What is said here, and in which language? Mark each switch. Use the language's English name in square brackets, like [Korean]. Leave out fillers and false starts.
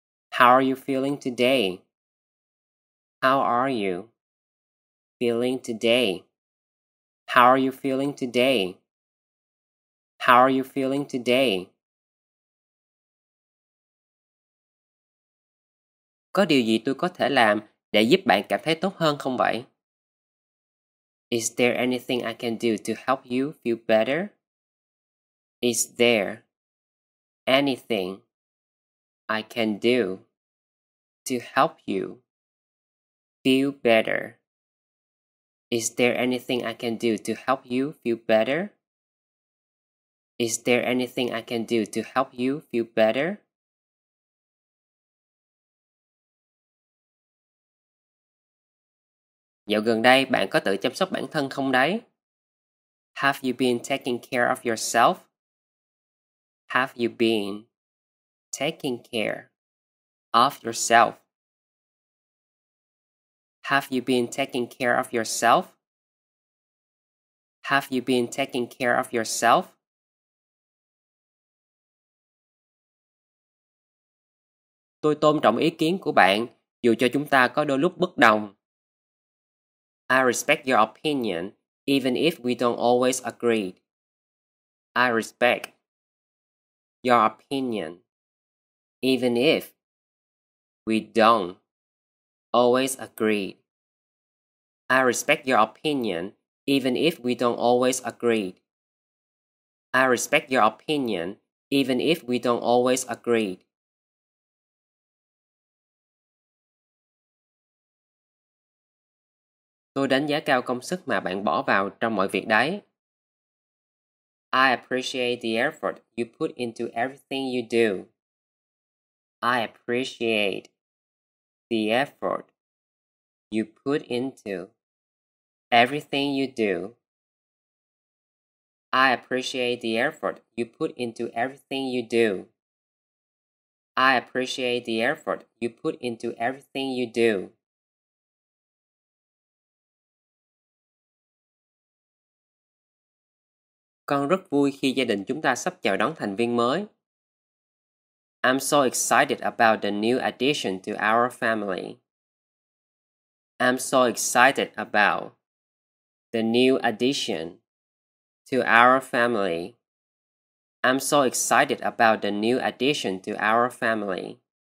[English] How are you feeling today? How are you feeling today? How are you feeling today? How are you feeling today? [Vietnamese] Có điều gì tôi có thể làm để giúp bạn cảm thấy tốt hơn không vậy? [English] Is there anything I can do to help you feel better? Is there anything I can do to help you feel better? Is there anything I can do to help you feel better? Is there anything I can do to help you feel better? [Vietnamese] Dạo gần đây, bạn có tự chăm sóc bản thân không đấy? [English] Have you been taking care of yourself? Have you been taking care of yourself? Have you been taking care of yourself? Have you been taking care of yourself? [Vietnamese] Tôi tôn trọng ý kiến của bạn, dù cho chúng ta có đôi lúc bất đồng. [English] I respect your opinion, even if we don't always agree. I respect your opinion, even if we don't always agree. I respect your opinion, even if we don't always agree. I respect your opinion, even if we don't always agree. [Vietnamese] Tôi đánh giá cao công sức mà bạn bỏ vào trong mọi việc đấy. [English] I appreciate the effort you put into everything you do. I appreciate the effort you put into everything you do. I appreciate the effort you put into everything you do. I appreciate the effort you put into everything you do. [Vietnamese] Con rất vui khi gia đình chúng ta sắp chào đón thành viên mới. [English] I'm so excited about the new addition to our family. I'm so excited about the new addition to our family. I'm so excited about the new addition to our family.